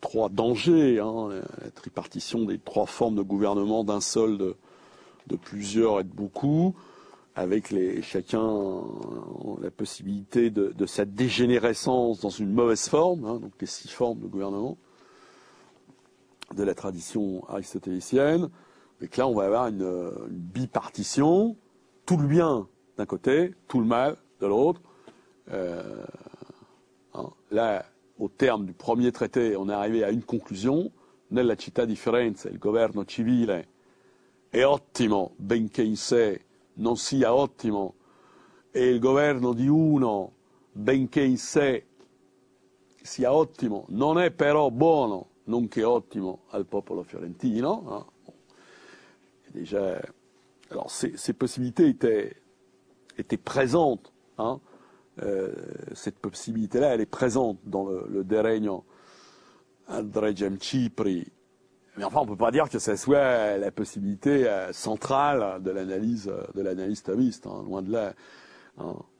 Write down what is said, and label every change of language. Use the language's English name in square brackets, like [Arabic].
[French] dangers, hein, la tripartition des trois formes de gouvernement d'un seul, de plusieurs et de beaucoup, avec chacun la possibilité de sa dégénérescence dans une mauvaise forme, hein, donc les 6 formes de gouvernement de la tradition aristotélicienne. Et que là, on va avoir une bipartition, tout le bien d'un côté, tout le mal de l'autre. Hein, là, au terme du premier traité, on est arrivé à une conclusion. [Italian] Nella città di Firenze, il governo civile è ottimo, benché in sé non sia ottimo, e il governo di uno, benché in sé sia ottimo, non è però buono, nonché ottimo, al popolo fiorentino. [French] Hein. Déjà, alors ces possibilités étaient présentes, hein, cette possibilité-là, elle est présente dans le Deregno André Gem Cipri. Mais enfin, on ne peut pas dire que ce soit la possibilité centrale de l'analyse thomiste, hein, loin de là. Hein.